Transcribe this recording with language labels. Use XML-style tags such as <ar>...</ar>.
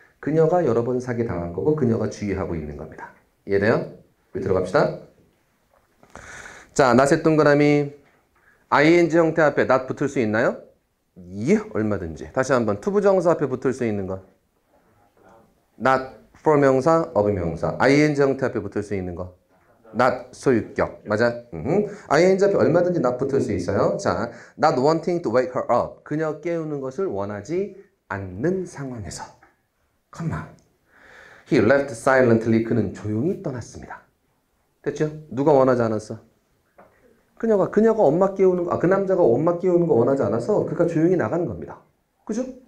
<ko>그녀가 여러 번 사기 당한 거고 그녀가 주의하고 있는 겁니다. 이해돼요? 우리 들어갑시다. 자, 낫의 동그라미 ing 형태 앞에 not 붙을 수 있나요? 예, 얼마든지. 다시 한번 to부 정사 앞에 붙을 수 있는 거. not for 명사, of 명사. ing 형태 앞에 붙을 수 있는 거. not 소유격. 맞아? ing 앞에 얼마든지 not 붙을 수 있어요.</ko> <en>자, not wanting to wake her up.</en> <ko>그녀 깨우는 것을 원하지 않는 상황에서.</ko> <en>컴마. He left silently.</en> <ko>그는 조용히 떠났습니다. 됐죠? 누가 원하지 않았어? 그녀가 엄마 깨우는 거, 아, 그 남자가 엄마 깨우는 거 원하지 않아서 그가 조용히 나가는 겁니다. 그죠?</ko>